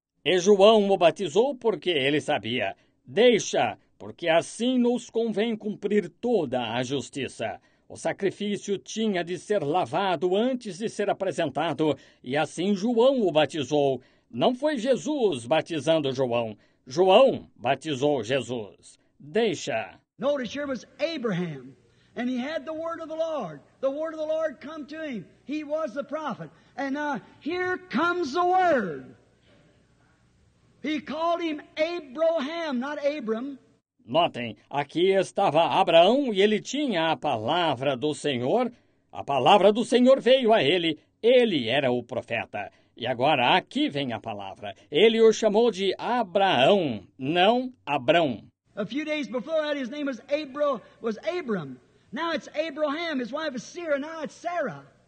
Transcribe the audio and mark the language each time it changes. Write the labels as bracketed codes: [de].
[pt] E João o batizou porque ele sabia. Deixa, porque assim nos convém cumprir toda a justiça. O sacrifício tinha de ser lavado antes de ser apresentado. E assim João o batizou. Não foi Jesus batizando João. João batizou Jesus. Deixa. [en] Notice here was Abraham. And he had the word of the Lord. The word of the Lord come to him. He was the prophet. And here comes the word. He called him Abraham, not Abram. [pt] Notem, aqui estava Abraão e ele tinha a palavra do Senhor. A palavra do Senhor veio a ele. Ele era o profeta. E agora aqui vem a palavra. Ele o chamou de Abraão, não Abrão. [en] A few days before that, his name was Abram. Now it's Abraham, his wife is Sarah, now it's Sarah.